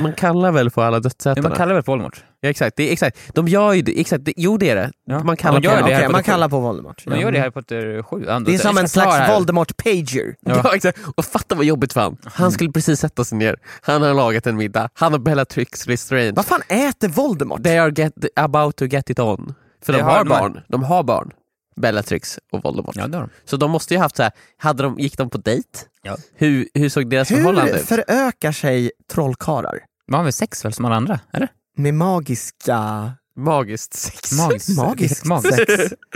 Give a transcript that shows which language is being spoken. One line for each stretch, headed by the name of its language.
Swedish: Man kallar väl på alla dödsätarna. Man kallar väl på Voldemort. Ja, exakt. Det är, exakt. De gör ju det. Exakt. Jo, det är det. Ja. Man kallar på Voldemort. Man gör det här på Harry Potter 7. Det är som en slags Voldemort pager. Ja, exakt. Och fatta vad jobbigt för han. Han skulle precis sätta sig ner. Han har lagat en middag. Han har Bellatrix Lestrange. Vad fan äter Voldemort?
English: They are about to get it on.
Swedish: För de har barn. Bellatrix och Voldemort. Ja, de. Så de måste ju haft så här, gick de på dejt? Ja. Hur såg deras förhållande ut? Hur förökar sig trollkarlar? Man har väl sex väl som alla andra, eller? Med magiska... Magiskt sex. Magiskt sex.